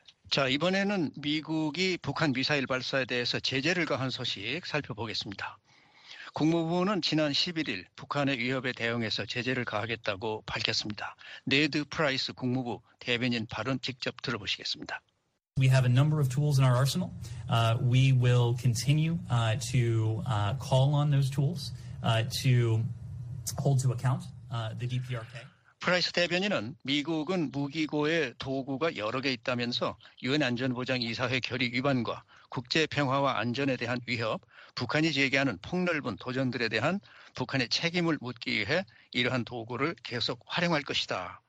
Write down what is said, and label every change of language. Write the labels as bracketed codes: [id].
[ko] 자 이번에는 미국이 북한 미사일 발사에 대해서 제재를 가한 소식 살펴보겠습니다. 국무부는 지난 11일 북한의 위협에 대응해서 제재를 가하겠다고 밝혔습니다. 네드 프라이스 국무부 대변인 발언 직접 들어보시겠습니다. [en] We have a number of tools in our arsenal. We will continue to call on those tools to hold to account the DPRK. [ko] 프라이스 대변인은 미국은 무기고의 도구가 여러 개 있다면서 유엔 안전보장이사회 결의 위반과 국제 평화와 안전에 대한 위협, 북한이 제기하는 폭넓은 도전들에 대한 북한의 책임을 묻기 위해 이러한 도구를 계속 활용할 것이다.